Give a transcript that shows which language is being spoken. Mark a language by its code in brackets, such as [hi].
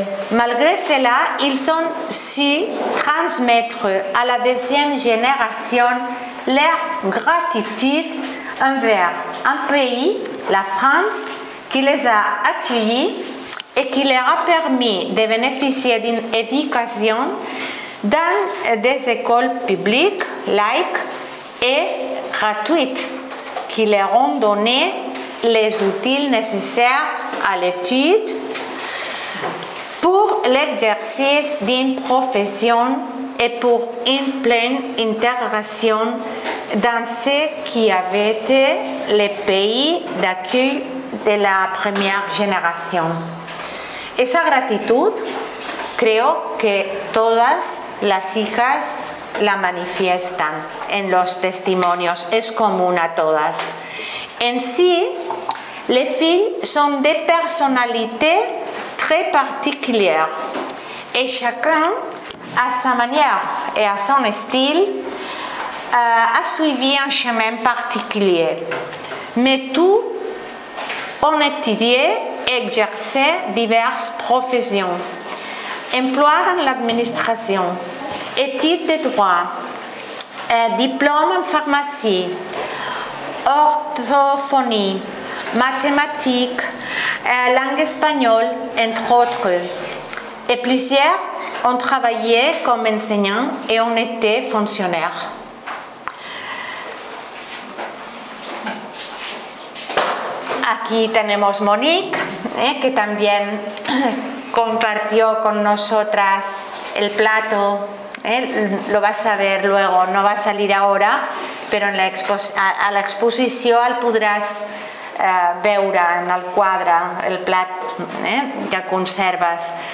[fr] malgré cela, ils ont su transmettre à la deuxième génération leur gratitude envers un pays, la France, qui les a accueillis et qui leur a permis de bénéficier d'une éducation dans des écoles publiques, laïques et gratuites, qui leur ont donné les outils nécessaires à l'étude pour l'exercice d'une profession et pour une pleine intégration dans ce qui avait été le pays d'accueil de la première génération. Et sa gratitude, [es] creo que todas las hijas la manifiestan en los testimonios, es común a todas. [fr] En sí, les filles sont des personnalités très particulières et chacun, à sa manière et à son style, a suivi un chemin particulier. Mais tous ont étudié et exercé diverses professions. Emploi dans l'administration, études de droit, diplôme en pharmacie, orthophonie, mathématiques, langue espagnole, entre autres. Et plusieurs ont travaillé comme enseignants et ont été fonctionnaires. [es] Aquí tenemos Monique, que también compartió con nosotras el plato, lo vas a ver luego, no va a salir ahora, pero en la a la exposición el podrás ver en el cuadro, el plato que conservas.